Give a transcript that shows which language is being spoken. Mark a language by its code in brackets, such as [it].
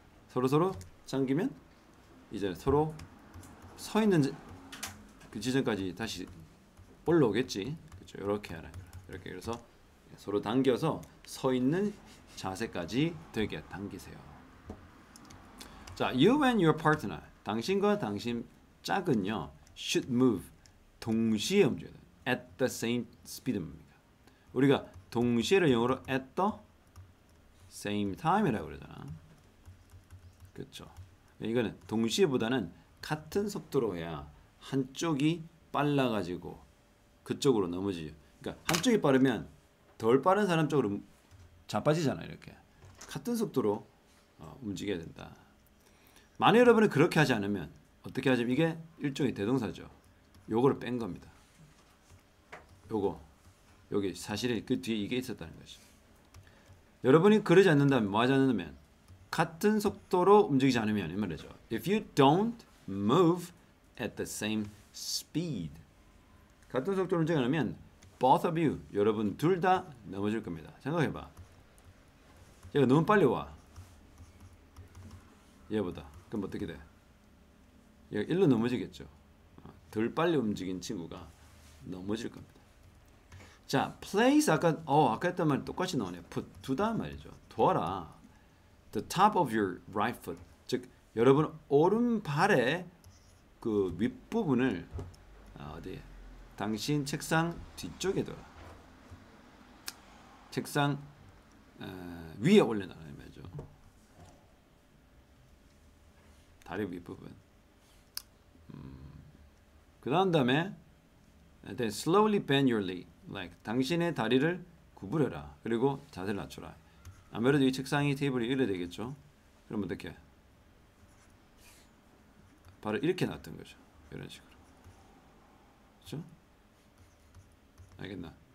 [ko] 서로서로 잠기면 이제 서로 서 있는 그 지점까지 다시 올라오겠지. 그렇죠? 이렇게 하는 거야. 이렇게 그래서 서로 당겨서 서 있는 자세까지 되게 당기세요. 자, [en] you and your partner [ko] 당신과 당신 짝은요 [en] should move [ko] 동시에 움직여야 돼. [en] at the same speed입니다. [ko] 우리가 동시에를 영어로 [en] at the same time [ko] 이라고 그러잖아. 그렇죠. 이거는 동시에보다는 같은 속도로 해야 한쪽이 빨라가지고 그쪽으로 넘어지죠. 그러니까 한쪽이 빠르면 덜 빠른 사람 쪽으로 자빠지잖아. 이렇게 같은 속도로 움직여야 된다. 만약 여러분은 그렇게 하지 않으면 어떻게 하죠? 이게 일종의 대동사죠. 요거를 뺀 겁니다. 요거 여기 사실 그 뒤에 이게 있었다는 것이죠. 여러분이 그러지 않는다면 뭐 하지 않는다면 같은 속도로 움직이지 않으면 이 말이죠. [en] If you don't move at the same speed [ko] 같은 속도로 움직이지 않으면 [en] both of you [ko] 여러분 둘 다 넘어질 겁니다. 생각해봐. 얘가 너무 빨리 와 얘보다. 그럼 어떻게 돼? 얘가 일로 넘어지겠죠. 덜 빨리 움직인 친구가 넘어질 겁니다. 자, place 아까 했던 말 똑같이 나오네요. put 두다 말이죠. 둬라. [en] the top of your right foot [ko] 즉 여러분 오른발의 그 윗부분을 어디에? 당신 책상 뒤쪽에 둬라. 책상 위에 올려놔라 말이죠. 다리 윗부분. [en] 그다음에 then slowly bend your leg. [ko] like 당신의 다리를 구부려라. 그리고 자세를 낮춰라. 아무래도 이 책상이 테이블이 이래 되겠죠. 그럼 어떻게? 발을 이렇게 놨던 거죠. 이런 식으로. 그렇죠? 알겠나?